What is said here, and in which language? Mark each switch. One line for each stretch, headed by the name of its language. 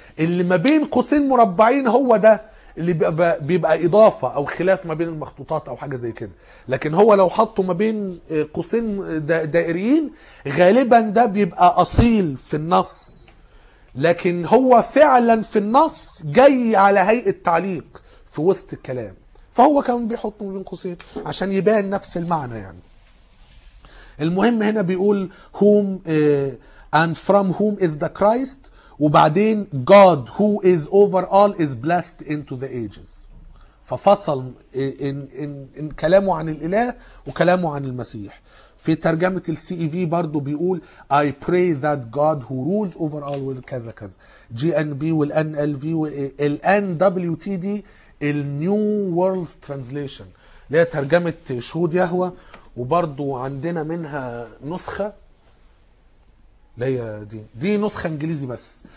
Arabic: اللي ما بين قوسين مربعين هو ده اللي بيبقى اضافه او خلاف ما بين المخطوطات او حاجه زي كده، لكن هو لو حطه ما بين قوسين دائريين غالبا ده بيبقى اصيل في النص، لكن هو فعلا في النص جاي على هيئه تعليق في وسط الكلام، فهو كان بيحطه ما بين قوسين عشان يبان نفس المعنى يعني. المهم هنا بيقول
English: whom and from whom is the Christ،
Arabic: وبعدين
English: God who is over all is blessed into the ages،
Arabic: ففصل إن كلامه عن الإله وكلامه عن المسيح. في ترجمة السي اي في برضو بيقول
English: I pray that God who rules over all will
Arabic: كذا كذا، جي ان بي والان ال في والان دبليو تي دي النيو وورلد ترانزليشن، اللي هي ترجمة شهود يهوه، وبرضو عندنا منها نسخة ليا، دي نسخة انجليزي بس.